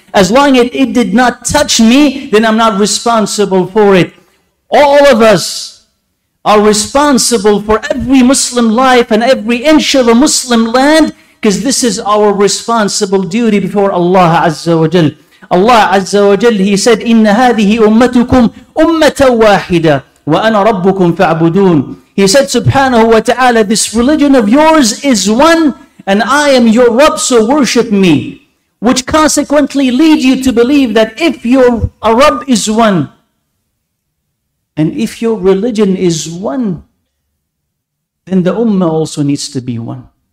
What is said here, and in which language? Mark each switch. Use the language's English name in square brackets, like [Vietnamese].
[English] As long as it did not touch me, then I'm not responsible for it. All of us are responsible for every Muslim life and every inch of a Muslim land, because this is our responsible duty before Allah Azza wa Jal. Allah Azza wa Jal, He said, [Arabic] إِنَّ هَذِهِ أُمَّتُكُمْ أُمَّةً وَاحِدًا وَأَنَا رَبُّكُمْ فَعْبُدُونَ. [English] He said, Subhanahu wa ta'ala, this religion of yours is one, and I am your Rabb, so worship me. Which consequently leads you to believe that if your Rabb is one, and if your religion is one, then the Ummah also needs to be one.